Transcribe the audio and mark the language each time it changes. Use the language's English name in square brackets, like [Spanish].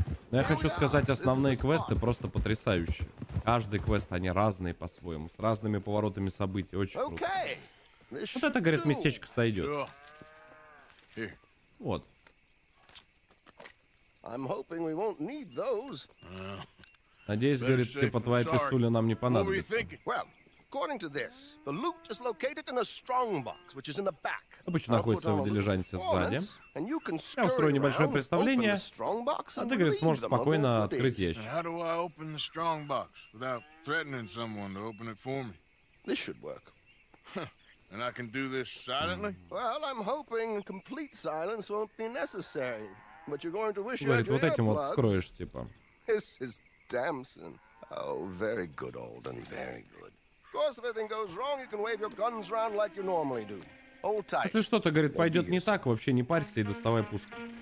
[Russian] Я хочу сказать, основные квесты просто потрясающие. Каждый квест, они разные по-своему, с разными поворотами событий, очень круто. Вот это, говорит, местечко сойдет. Вот. [English] I'm hoping we won't need those. [Russian] Надеюсь, говорит, типа, твоя пистуля нам не понадобится. [English] Well, according to this, the loot is located in a strong box, which is in the back. [Russian] Обычно находится в дилижансе сзади. Я устрою небольшое представление, а ты, говорит, сможешь спокойно открыть ящик. [English] How do I open the strong box without threatening someone to open it for me? This should work. And I can do this silently? Well, I'm hoping complete silence won't be necessary. But you're going to wish you had your earplugs. This is Damson. Oh, very good, Alden, very good. Of course, if anything goes wrong, you can wave your guns around like you normally do. Hold tight. [Russian] Если что-то, говорит, пойдет не так, вообще не парься и доставай пушку.